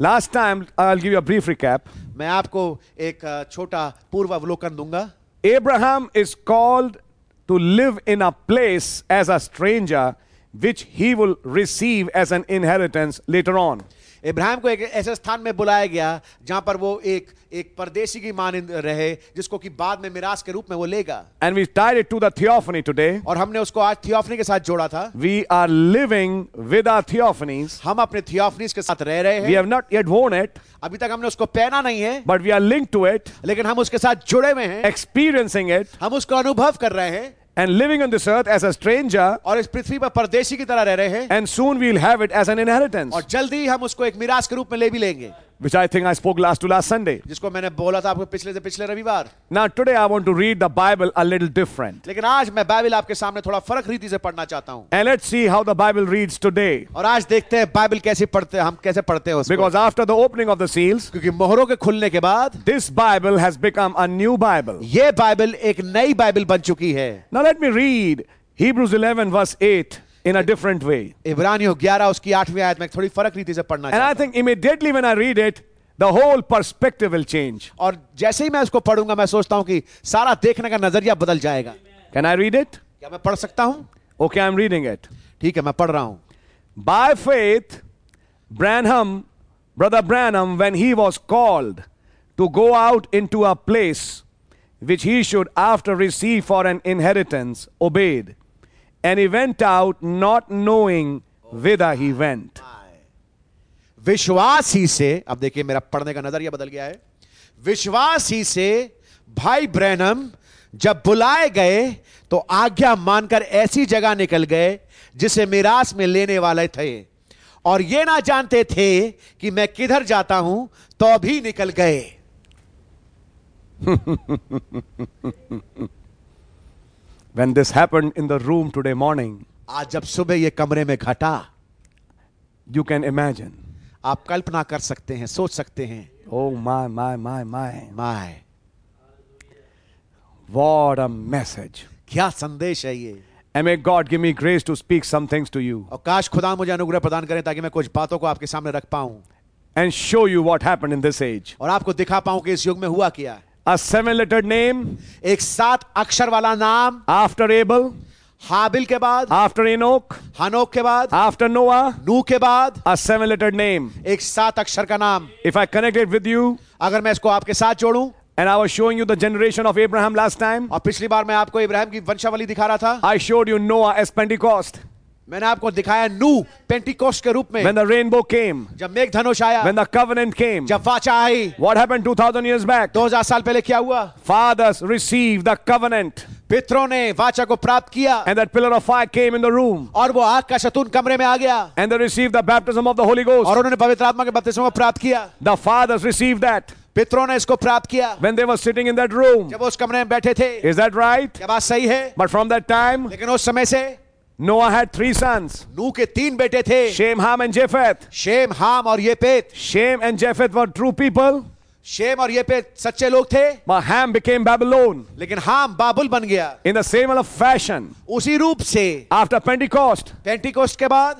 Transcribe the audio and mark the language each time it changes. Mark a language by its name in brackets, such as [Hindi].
[English] Last time I'll give you a brief recap. [Hindi] मैं आपको एक छोटा पूर्वावलोकन दूंगा. [English] Abraham is called to live in a place as a stranger, which he will receive as an inheritance later on. [Hindi] Ibrahim को एक ऐसे स्थान में बुलाया गया जहां पर वो एक एक परदेशी की मानिंद रहे जिसको कि बाद में मिराश के रूप में वो लेगा [English] and we tied it to the theophany today [Hindi] और हमने उसको आज थियोफनी के साथ जोड़ा था [English] we are living with our theophanies [Hindi] हम अपने थियोफनीज के साथ रह रहे हैं [English] we have not yet won it [Hindi] अभी तक हमने उसको पहना नहीं है [English] but we are linked to it [Hindi] लेकिन हम उसके साथ जुड़े हुए हैं [English] experiencing it [Hindi] हम उसको अनुभव कर रहे हैं [English] And living on this earth as a stranger, [Hindi] और इस पृथ्वी पर परदेशी की तरह रह रहे हैं [English] and soon we'll have it as an inheritance. [Hindi] और जल्दी हम उसको एक मिराज के रूप में ले भी लेंगे [English] Which I think I spoke last to last Sunday. [Hindi] जिसको मैंने बोला था आपको पिछले से पिछले रविवार [English] Now today I want to read the Bible a little different. [Hindi] लेकिन आज मैं बाइबल आपके सामने थोड़ा फर्क रीति से पढ़ना चाहता हूँ [English] And let's see how the Bible reads today. [Hindi] और आज देखते हैं बाइबल कैसे पढ़ते हैं हम कैसे पढ़ते हैं उसको [English] Because after the opening of the seals, [Hindi] क्योंकि मोहरों के खुलने के बाद [English] This Bible has become a new Bible. [Hindi] ये बाइबल एक नई बाइबल बन चुकी है [English] Now let me read Hebrews 11 verse 8. In a different way. [Hindi] इब्रानियों 11 उसकी 8वीं आयत में थोड़ी फर्क रीति से पढ़ना चाहता हूं. [English] And I think immediately when I read it, the whole perspective will change. [Hindi] और जैसे ही मैं उसको पढ़ूंगा, मैं सोचता हूं कि सारा देखने का नजरिया बदल जाएगा. [English] Can I read it? [Hindi] क्या मैं पढ़ सकता हूं? [English] Okay, I'm reading it. [Hindi] ठीक है, मैं पढ़ रहा हूं. [English] By faith, Branham, Brother Branham, when he was called to go out into a place which he should after receive for an inheritance, obeyed. And he went out not knowing whither he went. [Hindi] विश्वास ही से अब देखिए मेरा पढ़ने का नजरिया बदल गया है विश्वास ही से भाई ब्रैनम जब बुलाए गए तो आज्ञा मानकर ऐसी जगह निकल गए जिसे मिराश में लेने वाले थे और ये ना जानते थे कि मैं किधर जाता हूं तो भी निकल गए [English] When this happened in the room today morning, [Hindi] आज जब सुबह ये कमरे में घटा, [English] you can imagine. [Hindi] आप कल्पना कर सकते हैं, सोच सकते हैं. [English] Oh my, my, my, my, my. What a message! [Hindi] क्या संदेश है ये? [English] And may God give me grace to speak some things to you. [Hindi] और काश खुदा मुझे अनुग्रह प्रदान करे ताकि मैं कुछ बातों को आपके सामने रख पाऊँ. [English] And show you what happened in this age. [Hindi] और आपको दिखा पाऊँ कि इस युग में हुआ क्या? [English] A seven-lettered name, [Hindi] एक सात अक्षर वाला नाम [English] after Abel, [Hindi] हाबिल के बाद [English] after Enoch, [Hindi] हनोक के बाद [English] after Noah, [Hindi] नूह के बाद [English] a seven-lettered name, [Hindi] एक सात अक्षर का नाम [English] if I connect it with you, [Hindi] अगर मैं इसको आपके साथ जोड़ू [English] And I was showing you the generation of Abraham last time, [Hindi] और पिछली बार मैं आपको इब्राहिम की वंशावली दिखा रहा था [English] I showed you Noah as Pentecost. [Hindi] मैंने आपको दिखाया नू पेंटिकोस्ट के रूप में [English] When the rainbow came, [Hindi] जब मेघ धनुष आया [English] When the covenant came, [Hindi] जब वाचा आई [English] What happened 2000 years back? [Hindi] 2000 साल पहले क्या हुआ [English] Fathers received the covenant. [Hindi] पितरों ने वाचा को प्राप्त किया [English] And that pillar of fire came in the room. [Hindi] और वो आग का शतून कमरे में आ गया [English] And they received the baptism of the Holy Ghost. [Hindi] और उन्होंने पवित्र आत्मा के बपतिस्मा को प्राप्त किया [English] The fathers received that. [Hindi] पितरों ने इसको प्राप्त किया [English] When they were sitting in that room. [Hindi] जब उस कमरे में बैठे थे [English] Is that right? [Hindi] क्या बात सही है [English] But from that time, [Hindi] लेकिन उस समय से [English] Noah had three sons. [Hindi] नूह के तीन बेटे थे. [English] Shem, Ham and Japheth. [Hindi] Shem, Ham और Japheth. [English] Shem and Japheth were true people. [Hindi] Shem और Japheth सच्चे लोग थे. [English] But Ham became Babylon. [Hindi] लेकिन Ham बाबुल बन गया. [English] In the same fashion. [Hindi] उसी रूप से. [English] After Pentecost. [Hindi] Pentecost के बाद.